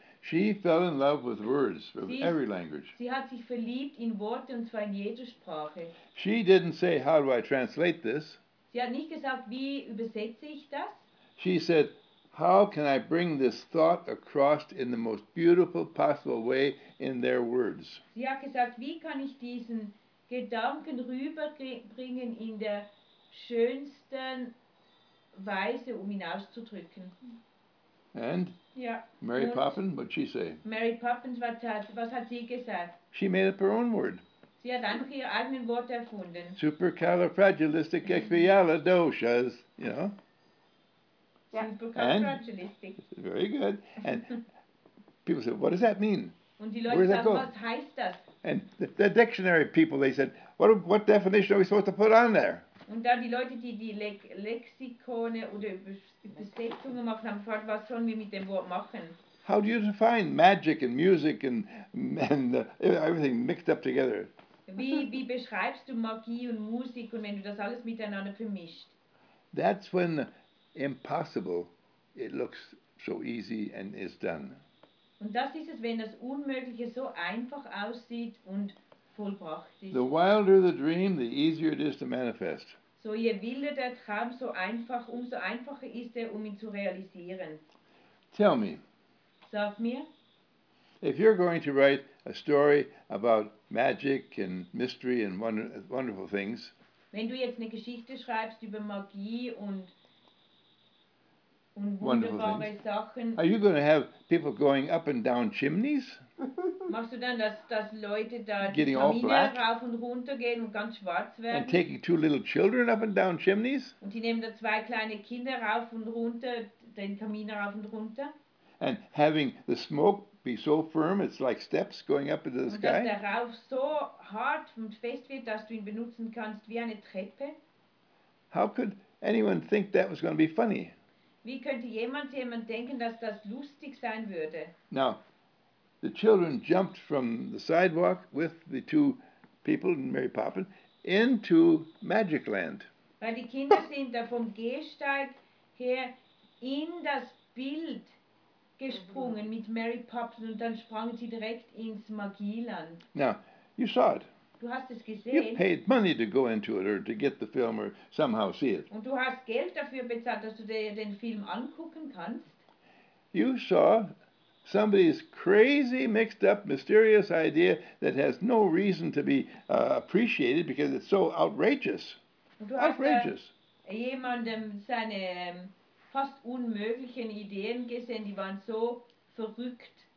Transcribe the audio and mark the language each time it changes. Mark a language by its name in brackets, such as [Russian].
[English] She fell in love with words of every language. [German] Sie hat sich verliebt in Worte, und zwar in jeder Sprache. [English] She didn't say, how do I translate this? [German] Sie hat nicht gesagt, wie übersetze ich das? [English] She said, how can I bring this thought across in the most beautiful possible way in their words? [German] Sie hat gesagt, wie kann ich diesen Gedanken rüberbringen in der schönsten Weise, um ihn auszudrücken? [English] And? [German] Ja. [English] Mary Poppins, what did she say? [German] Mary Poppins, was hat sie gesagt? [English] She made up her own word. [German] Sie hat einfach ihr eigenes Wort erfunden. [English] Supercalifragilisticexpialidocious, you know? Yeah. And very good. And people said, what does that mean? [German] Und die Leute [English] where does [German] sagen, [English] that go? [German] Was heißt das? [English] And the dictionary people, they said, what definition are we supposed to put on there? [German] Und dann die Leute, die Lexikone oder Übersetzungen machen, haben gefragt, was sollen wir mit dem Wort machen? [English] How do you define magic and music and everything mixed up together? [German] Wie beschreibst du Magie und Musik, und wenn du das alles miteinander vermischt? [English] That's when impossible, it looks so easy and is done. [German] Und das ist es, wenn das Unmögliche so einfach aussieht und vollbracht ist. [English] The wilder the dream, the easier it is to manifest. [German] So je wilder der Traum, so einfach, umso einfacher ist er, um ihn zu realisieren. [English] Tell me. [German] Sag mir. [English] If you're going to write a story about magic and mystery and wonderful things. [German] Wenn du jetzt eine Geschichte schreibst über Magie und wunderbare Sachen. [English] Are you going to have people going up and down chimneys? [German] Machst du dann, dass Leute da die Kamine rauf und runter gehen und ganz schwarz werden? [English] And taking two little children up and down chimneys? [German] Und die nehmen da zwei kleine Kinder rauf und runter, den Kamin rauf und runter? [English] And having the smoke be so firm, it's like steps going up into the sky? [German] Und dass der Rauch so hart und fest wird, dass du ihn benutzen kannst wie eine Treppe? [English] How could anyone think that was going to be funny? [German] Wie könnte jemand denken, dass das lustig sein würde? [English] Now, the children jumped from the sidewalk with the two people and Mary Poppins into magic land. [German] Weil die Kinder sind da vom Gehsteig her in das Bild gesprungen mit Mary Poppins, und dann sprangen sie direkt ins Magieland. [English] Now, you saw it. [German] Du hast es gesehen. [English] You paid money to go into it or to get the film or somehow see it. [German] Und du hast Geld dafür bezahlt, dass du dir den Film angucken kannst. [English] You saw somebody's crazy, mixed up, mysterious idea that has no reason to be appreciated because it's so outrageous. [German] Und du outrageous. Hast jemandem seine fast unmöglichen Ideen gesehen, die waren so verrückt.